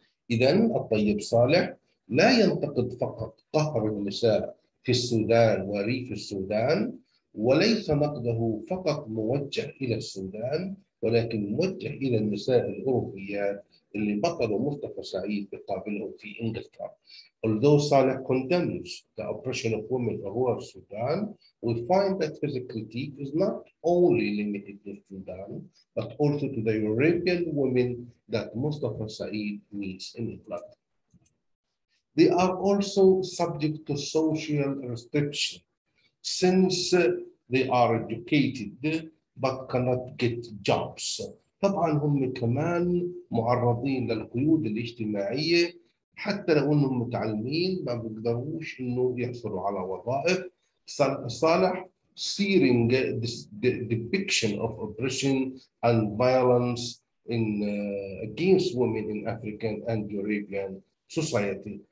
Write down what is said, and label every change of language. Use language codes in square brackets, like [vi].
[ar] إذن الطيب صالح لا ينتقد فقط قهر النساء في السودان وريف السودان, وليس نقده فقط موجه إلى السودان, ولكن موجه إلى النساء الأوروبيات اللي بطلوا مصطفى سعيد بقابلهم في إنجلترا. [en] Although Saleh condemns the oppression of women who are Sudan, we find that his critique is not only limited to Sudan, but also to the Arabian women that Mustafa Saeed meets in England. They are also subject to social restriction, since they are educated but cannot get jobs. [ar] طبعا هم كمان معرضين للقيود الاجتماعية, حتى لو انهم متعلمين ما بيقدروش انه يحصلوا على وظائف. [en] صالح searing depiction of oppression and violence in against women in African and Arabian society.